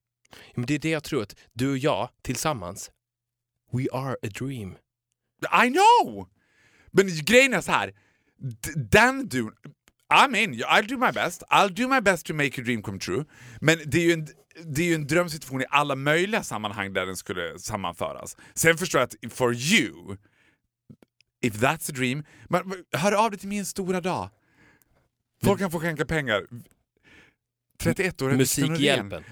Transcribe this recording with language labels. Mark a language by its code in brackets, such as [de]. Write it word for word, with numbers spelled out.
[sv] Ja, men det är det jag tror att du och jag tillsammans, [en] we are a dream. I know! [sv] Men grejen är så här, den du... [en] I'm in. I'll do my best. I'll do my best to make your dream come true. [sv] Men det är ju en, det är ju en drömsituation i alla möjliga sammanhang där den skulle sammanföras. Sen förstår jag att [en] for you, if that's a dream... [sv] Men, hör av dig till min stora dag. Folk kan få skänka pengar. trettioett år Musikhjälpen.